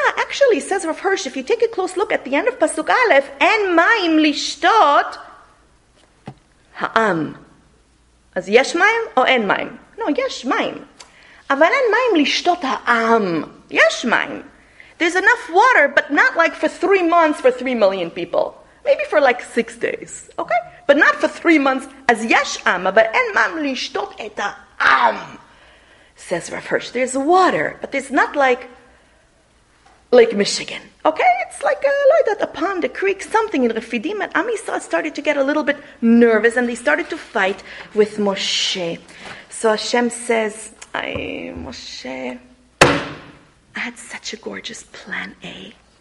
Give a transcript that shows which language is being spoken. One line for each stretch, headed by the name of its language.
English: Actually, says Rav Hirsch, if you take a close look at the end of Pasuk Aleph,
Hebrew: en mayim lishtot ha'am. As yesh mayim or en mayim? No, yesh mayim. אבל אין מים לשתות העם. יש מים.
English: There's enough water, but not like for 3 months for 3 million people. Maybe for like 6 days, okay? But not for 3 months.
Hebrew: אז יש עם, אבל אין מים לשתות את העם.
English: Says Rav Hirsch, there's water, but it's not like Lake Michigan, okay? It's like a pond, a creek, something in Rephidim. And Am Yisrael started to get a little bit nervous, and they started to fight with Moshe. So Hashem says, Moshe, I had such a gorgeous plan A.